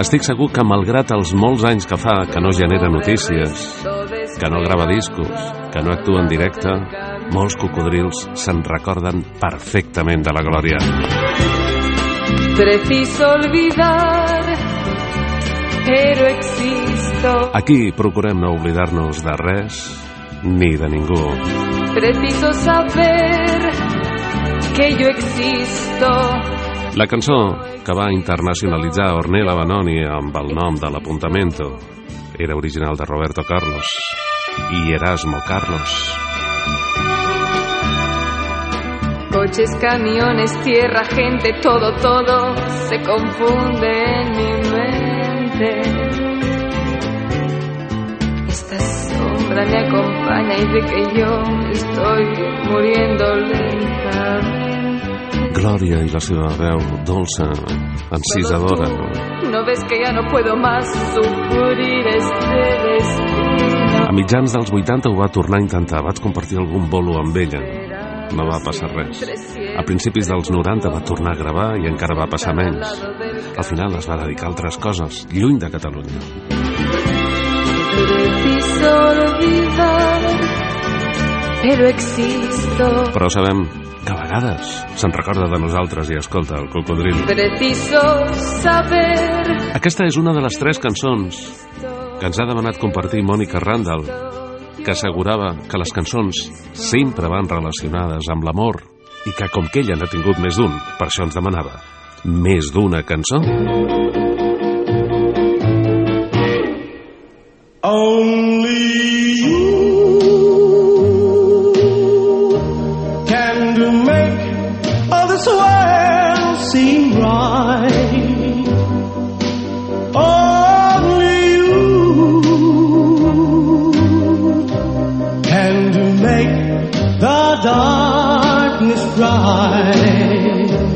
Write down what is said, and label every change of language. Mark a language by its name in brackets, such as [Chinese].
[Catalan] Estic segur que malgrat els molts anys que fa que no genera notícies, que no grava discos, que no actua en directe, molts cocodrils se'n recorden perfectament de la Glòria. [Spanish] Preciso olvidar, pero existo. [Catalan] Aquí procurem no oblidar-nos de res ni de ningú. [Spanish] Preciso saber que yo existo. [Catalan] La cançó que va internacionalitzar Ornella Vanoni amb el nom de l'Apuntamento era original de Roberto Carlos i Erasmo Carlos. [Spanish] Coches, camiones, tierra, gente, todo, todo se confunde en mi mente. Esta sombra me acompaña y ve que yo estoy muriendo lentamente. [Catalan] Glòria y la seva veu dolça, encisadora. [Spanish] Tú, no ves que ya no puedo más sufrir este destino. [Catalan] A mitjans dels 80 ho va tornar a intentar, vaig compartir algun bolo amb ella. No va passar res. A principis dels 90 va tornar a gravar i encara va passar menys. Al final es va dedicar a altres coses, lluny de Catalunya. di solo viva, però existo. Però sabem que a vegades se'n recorda de nosaltres i escolta el cocodril. [Spanish] Preciso saber. [Catalan] Aquesta és una de les tres cançons que ens ha demanat compartir Mònica Randall, que assegurava que les cançons sempre van relacionades amb l'amor i que, com que ella n'ha tingut més d'un, per això ens demanava més d'una cançó. [English] Only you can make all this world seem right. Only you can make the darkness bright.